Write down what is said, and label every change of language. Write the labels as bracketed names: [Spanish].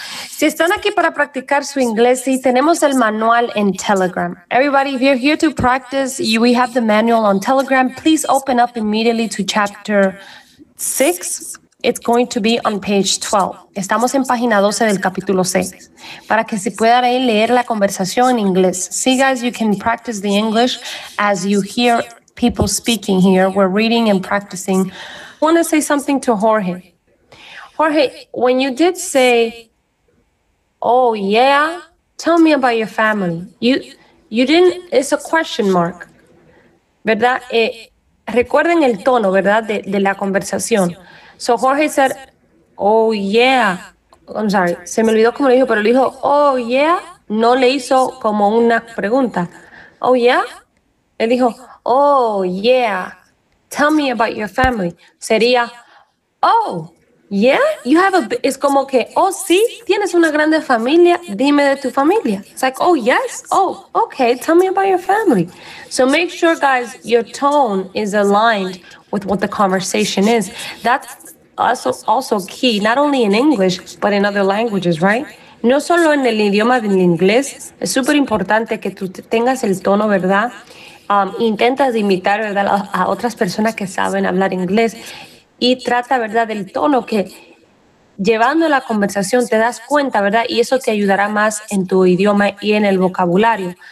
[Spanish] Si están aquí para practicar su inglés, sí, tenemos el manual en Telegram. [English] Everybody, if you're here to practice, we have the manual on Telegram. Please open up immediately to chapter 6. It's going to be on page 12. [Spanish] Estamos en página 12 del capítulo 6. Para que se pueda ahí leer la conversación en inglés. [English] See, guys, you can practice the English as you hear people speaking here. We're reading and practicing. I want to say something to Jorge. Jorge, when you did say, oh, yeah, tell me about your family. You didn't, it's a question mark. ¿Verdad? [Spanish] Recuerden el tono, ¿verdad? De la conversación. [English] So Jorge said, oh, yeah. I'm sorry, [Spanish] se me olvidó cómo lo dijo, pero le dijo, oh, yeah. No le hizo como una pregunta. Oh, yeah. Él dijo, [English] oh, yeah. Tell me about your family. [Spanish] Sería, [English] oh, yeah, you have a, [Spanish] es como que, oh, sí, tienes una grande familia, dime de tu familia. [English] It's like, oh, yes, oh, okay, tell me about your family. So make sure, guys, your tone is aligned with what the conversation is. That's also key, not only in English, but in other languages, right? [Spanish] No solo en el idioma del inglés, es súper importante que tú tengas el tono, ¿verdad? Intentas imitar, ¿verdad?, a otras personas que saben hablar inglés y trata, ¿verdad?, del tono que llevando la conversación te das cuenta, ¿verdad?, y eso te ayudará más en tu idioma y en el vocabulario.